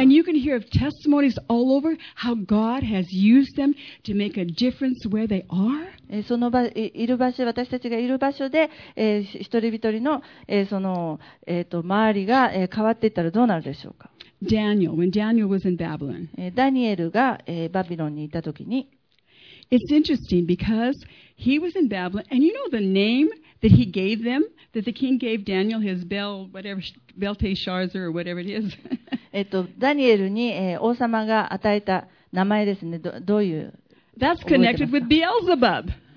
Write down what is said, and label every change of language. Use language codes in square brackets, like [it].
[en] And you can hear of testimonies all over how God has used them to make a difference where they are? [ja] その場いる場所、私たちがいる場所で、一人一人の、その、周りが、変わっていったらどうなるでしょうか。 [en] Daniel, when Daniel was in Babylon. [ja] ダニエルが、バビロンにいたときに、 [en] It's interesting because he was in Babylon, and you know the name that he gave them, that the king gave Daniel his bell, whatever, Belteshazzar or whatever it is. [ja] ダニエルに、王様が与えた名前ですね。どういう [en] That's connected with Beelzebub.